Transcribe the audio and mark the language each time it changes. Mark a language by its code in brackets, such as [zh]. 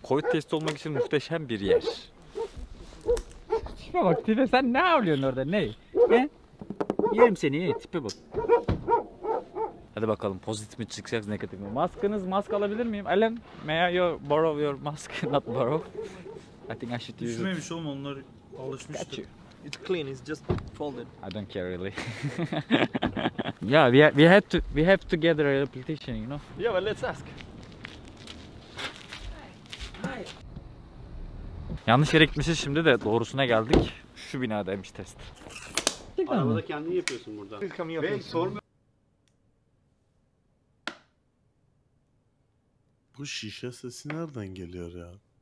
[tr] Covid testi olmak için muhteşem bir yer. Şuna bak tipe, sen ne avlıyorsun orada? Ne? Ne? Yerim seni ye, tipe bak. Hadi bakalım pozitif mi çıkacak, negatif mi? Maskınız, mask alabilir miyim? [en] Alan, may I borrow your mask? Not borrow. I think I should use it. [tr] Düşmemiş oğlum, onlar alışmıştır. [en] It's clean. It's just folded. I don't care really. Yeah, we have to gather a petition, you know. Yeah, but let's ask. Hi. [tr] Yanlış yere gitmişiz, şimdi de doğrusuna geldik. Şu binadaymış test. Arabada kendin yapıyorsun buradan. Ben sormuyorum. Bu şişe sesi nereden geliyor ya?